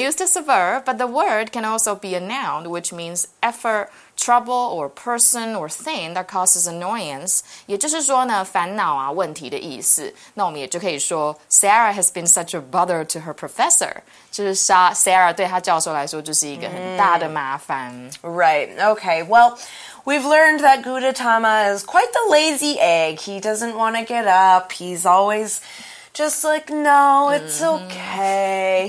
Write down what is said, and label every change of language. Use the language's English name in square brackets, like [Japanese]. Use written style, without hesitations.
[English] used as a verb, but the word can also be a noun, which means effort, trouble, or person, or thing that causes annoyance. [Chinese] 也就是说呢，烦恼啊，问题的意思。那我们也就可以说 [English] Sarah has been such a bother to her professor. [Chinese] 就是 Sarah 对她教授来说就是一个很大的麻烦。 [English] Right, okay, well... We've learned that Gudetama is quite the lazy egg. He doesn't want to get up. He's always just like, no, it's okay.